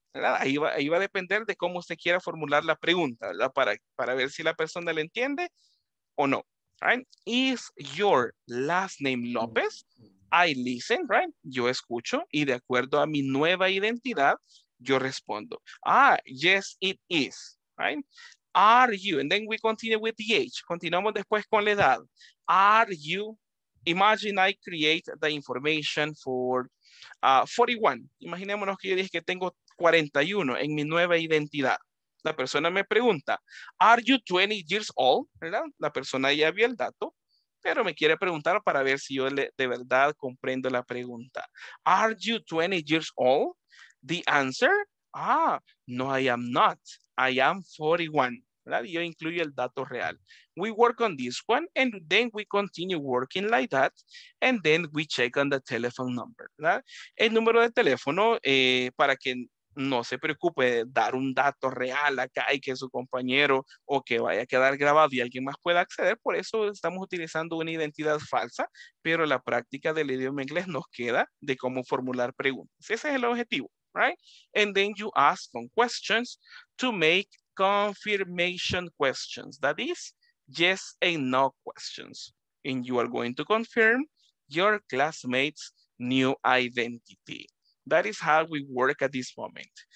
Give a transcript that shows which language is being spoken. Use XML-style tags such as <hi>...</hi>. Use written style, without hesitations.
<es>Ahí va a depender de cómo usted quiera formular la pregunta, ¿verdad? Para ver si la persona le entiende o no, right?</es> <en>Is your last name López? I listen, right?</en> <es>Yo escucho y de acuerdo a mi nueva identidad, yo respondo.</es> <en>Ah, yes, it is, right? Are you, and then we continue with the age.</en> <es>Continuamos después con la edad.</es> <en>Are you, imagine I create the information for 41.</en> <es>Imaginémonos que yo dije que tengo 41 en mi nueva identidad. La persona me pregunta,</es> <en>are you 20 years old?</en> <es>¿Verdad? La persona ya vio el dato, pero me quiere preguntar para ver si yo de verdad comprendo la pregunta.</es> <en>Are you 20 years old? The answer, ah, no, I am not. I am 41.</en> <es>¿Verdad? Yo incluyo el dato real.</es> <en>We work on this one and then we continue working like that and then we check on the telephone number.</en> <es>¿Verdad? El número de teléfono para que no se preocupe de dar un dato real acá y que su compañero o que vaya a quedar grabado y alguien más pueda acceder. Por eso estamos utilizando una identidad falsa, pero la práctica del idioma inglés nos queda de cómo formular preguntas. Ese es el objetivo, right?</es> <en>And then you ask some questions to make confirmation questions. That is yes and no questions. And you are going to confirm your classmate's new identity. That is how we work at this moment.</en>